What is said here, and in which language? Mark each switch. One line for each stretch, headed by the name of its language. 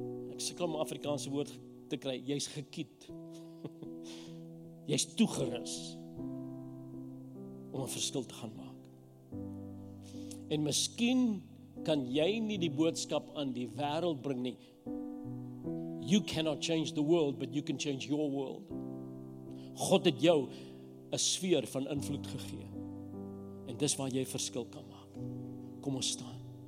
Afrikaans: Ek kom Afrikaanse woord te kry, jy's gekiet, jy's toegerus om 'n verskil te gaan maak. En miskien kan jy nie die boodskap aan die wêreld bring nie.
English: You cannot change the world, but you can change your world.
Afrikaans: God het jou 'n sfeer van invloed gegee, en dis waar jy verskil kan maak. Kom ons staan.